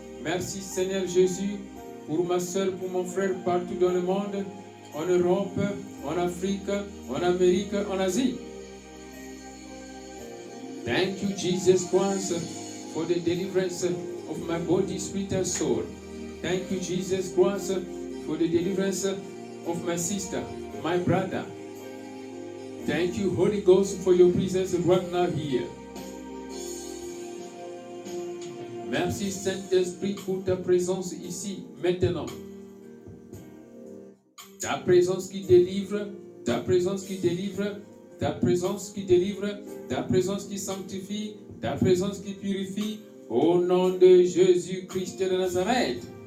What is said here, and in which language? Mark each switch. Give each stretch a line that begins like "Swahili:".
French: Merci, Seigneur Jésus, pour ma soeur, pour mon frère, partout dans le monde, en Europe, en Afrique, en Amérique, en Asie.
English: Thank you, Jesus Christ, for the deliverance of my body, spirit, and soul. Thank you, Jesus Christ, for the deliverance of my sister, my brother. Thank you, Holy Ghost, for your presence right now here.
French: Merci, Saint-Esprit, pour ta présence ici, maintenant. Ta présence qui délivre, ta présence qui délivre, ta présence qui délivre, ta présence qui sanctifie, ta présence qui purifie, au nom de Jésus-Christ de Nazareth.